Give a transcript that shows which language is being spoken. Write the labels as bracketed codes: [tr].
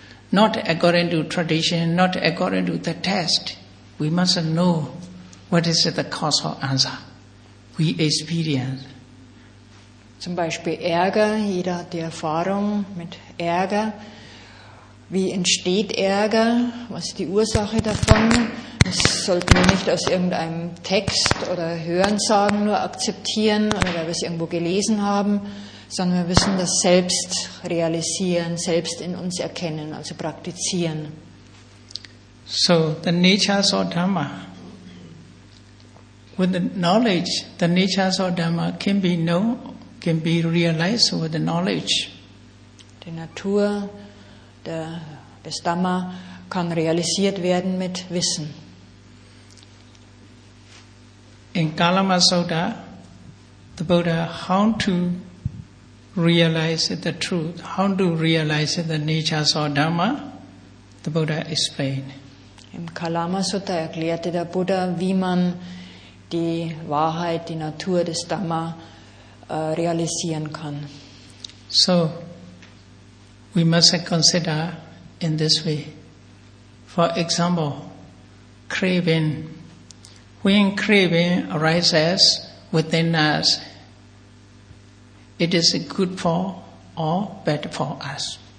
[en] Not according to tradition, not according to the test. We must know what is the causal answer. We experience. [de] zum Beispiel Ärger, jeder hat die Erfahrung mit Ärger. Wie entsteht Ärger? Was ist die Ursache davon? Das sollten wir nicht aus irgendeinem Text oder Hörensagen nur akzeptieren oder weil wir es irgendwo gelesen haben, sondern wir müssen das selbst realisieren, selbst in uns erkennen, also praktizieren. [en] So, the nature of Dhamma. With the knowledge, the nature of Dhamma can be known, can be realized with the knowledge. [de] Die Natur des Dhamma kann realisiert werden mit Wissen. [en] In Kalama Sutta, the Buddha, how to realize the truth, how to realize the nature of Dhamma, the Buddha explained. [de] Im Kalama Sutta erklärte der Buddha, wie man die Wahrheit, die Natur des Dhamma realisieren kann. [en] So, we must consider in this way. For example, craving. When craving arises within us, it is good for or bad for us?